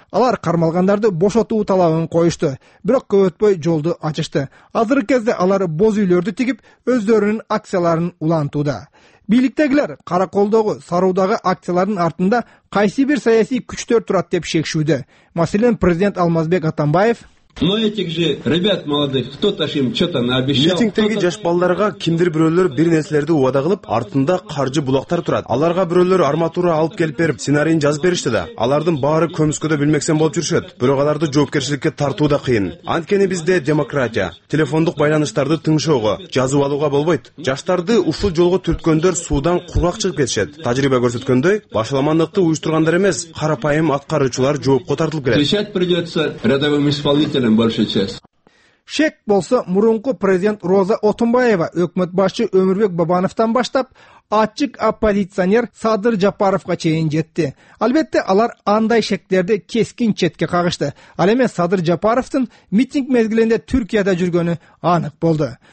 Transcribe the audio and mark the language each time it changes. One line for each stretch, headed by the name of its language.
Kyrgyz: Алар кармалгандарды бошотуу талабын коюшту, бирок көп өтпөй жолду ачышты. Азыркы кезде алар боз үйлөрдү тигип өздөрүнүн акцияларын улантууда. Бийликтегилер караколдогу саруудагы акциялардын артында кайсы бир саясий күчтөр турат деп шекшүүдө. Маселен, президент Алмазбек Атамбаев:
Russian: Но этих же ребят молодых, кто-то им что-то наобещал.
Kyrgyz: Митингдеги жаш балдарга кимдир бирөөлөр бир нерселерди убада кылып, артында каржы булактар турат. Аларга бирөөлөр арматура алып келип берип, сценарийин жазып беришти да. Алардын баары көмүскөдө билмексен болуп жүрүшөт. Бирок аларды жоопкерчиликке тартуу да кыйын. Анткени бизде демократия, телефондук байланыштарды тыңшоого, жазып алууга болбойт. Жаштарды ушул жолго түрткөндөр суудан курак чыгып кетишет. Тажрыйба көрсөткөндөй, башаламандыкты уюштургандар эмес, карапайым аткаруучулар жоопко тартылып келет.
Russian: Решать придётся рядовым исполнителям.
Kyrgyz: Шек болсо, мурунку президент Роза Отунбаева, өкмөт башчы Өмүрбек Бабановтан баштап, ачык оппозиционер Садыр Жапаровго чейин жетти. Албетте, алар андай шектерди кескин четке кагышты. Ал эми Садыр Жапаровдун митинг мезгилинде Түркияда жүргөнү анык болду.